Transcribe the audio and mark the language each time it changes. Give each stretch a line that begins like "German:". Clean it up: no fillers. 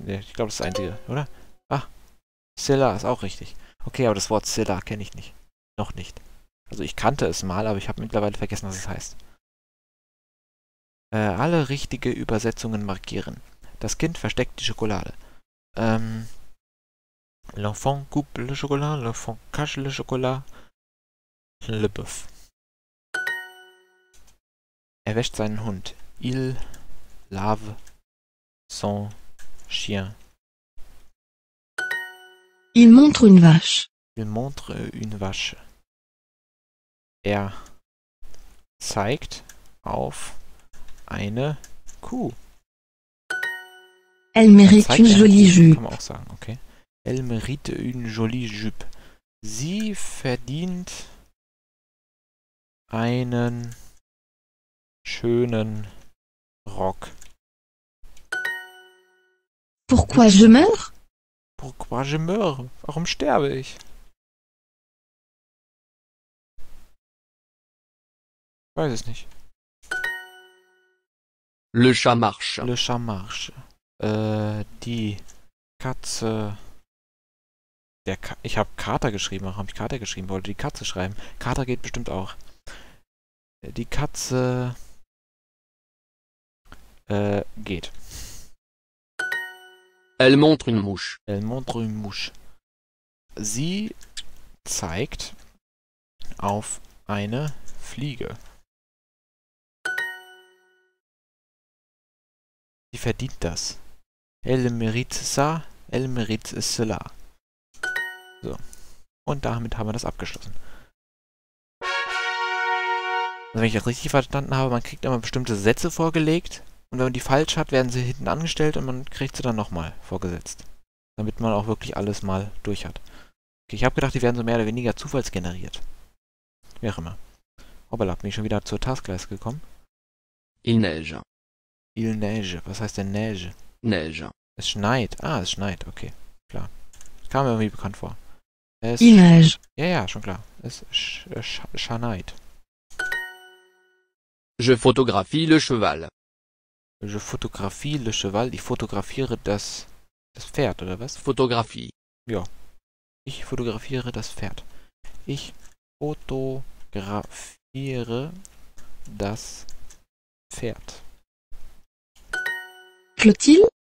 German: Ich glaube, das ist das Einzige, oder? Ah, cela ist auch richtig. Okay, aber das Wort cela kenne ich nicht. Noch nicht. Also ich kannte es mal, aber ich habe mittlerweile vergessen, was es heißt. Alle richtige Übersetzungen markieren. Das Kind versteckt die Schokolade.
French: L'enfant coupe le chocolat, l'enfant cache le chocolat. Le bœuf.
German: Er wäscht seinen Hund.
French: Il lave son chien. Il montre une vache. Il montre une vache. Er
German: zeigt auf eine Kuh.
French: Elle mérite une jolie jupe.
German: Kann man auch sagen, okay.
French: Elle mérite une jolie jupe.
German: Sie verdient einen schönen Rock.
French: Pourquoi je meurs? Pourquoi je meurs?
German: Warum sterbe ich? Weiß es nicht.
French: Le chat marche. Le chat marche.
German: Die Katze. Ich habe Kater geschrieben. Warum habe ich Kater geschrieben? Wollte die Katze schreiben. Kater geht bestimmt auch. Die Katze. Geht.
French: Elle montre une mouche. Elle montre une mouche.
German: Sie zeigt auf eine Fliege. Sie verdient das.
French: Elle mérite ça, elle mérite cela.
German: So. Und damit haben wir das abgeschlossen. Also wenn ich das richtig verstanden habe, man kriegt immer bestimmte Sätze vorgelegt. Und wenn man die falsch hat, werden sie hinten angestellt und man kriegt sie dann nochmal vorgesetzt. Damit man auch wirklich alles mal durch hat. Okay, ich habe gedacht, die werden so mehr oder weniger zufallsgeneriert. Wie auch immer. Hoppala, bin ich schon wieder zur Taskleiste gekommen.
French: Il neige. Il neige.
German: Was heißt denn neige?
French: Neige.
German: Es schneit. Ah, es schneit. Okay, klar. Das kam mir irgendwie bekannt vor.
French: Es Il neige.
German: Ja, ja, schon klar. Es schneit.
French: Je photographie le cheval. Je photographie le cheval.
German: Ich fotografiere das Pferd, oder was? Fotografie. Ja. Ich fotografiere das Pferd. Ich fotografiere das Pferd. Clotilde,